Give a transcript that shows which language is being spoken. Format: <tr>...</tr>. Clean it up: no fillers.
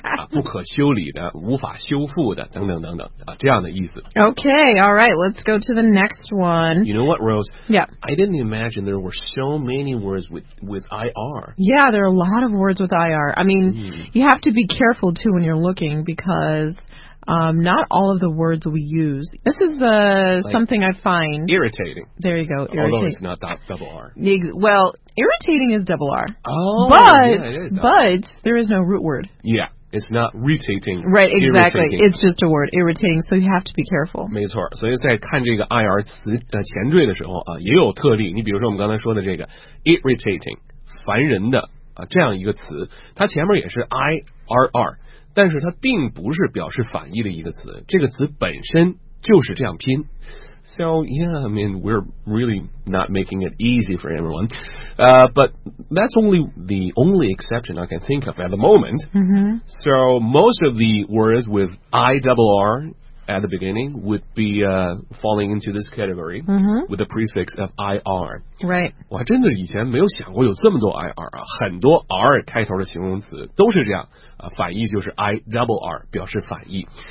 <zh>不可修理的，无法修复的，等等等等，这样的意思。</zh> <en>Okay, all right, let's go to the next one. You know what, Rose? Yeah. I didn't imagine there were so many words with IR. Yeah, there are a lot of words with IR. I mean, you have to be careful, too, when you're looking, because... not all of the words we use. This is something I find... Irritating. There you go, irritating. Although it's not double R. Well, irritating is double R. Oh, but, yeah, it is. But there is no root word. Yeah. It's not irritating. Right, exactly. It's just a word, irritating, so you have to be careful.</en> <zh>没错，所以在看这个 IR 词的前缀的时候啊，也有特例。你比如说我们刚才说的这个 irritating， 烦人的啊，这样一个词，它前面也是 IRR， 但是它并不是表示反义的一个词，这个词本身就是这样拼。</zh> <en>So, yeah, I mean, we're really not making it easy for everyone. But that's only the only exception I can think of at the moment. Mm-hmm. So most of the words with IRR at the beginning would be falling into this category mm-hmm. with the prefix of IR. Right.</en> <zh>我还真的以前没有想过有这么多 IR 啊，很多 R 开头的形容词都是这样，反义就是 IRR 表示反义。</zh>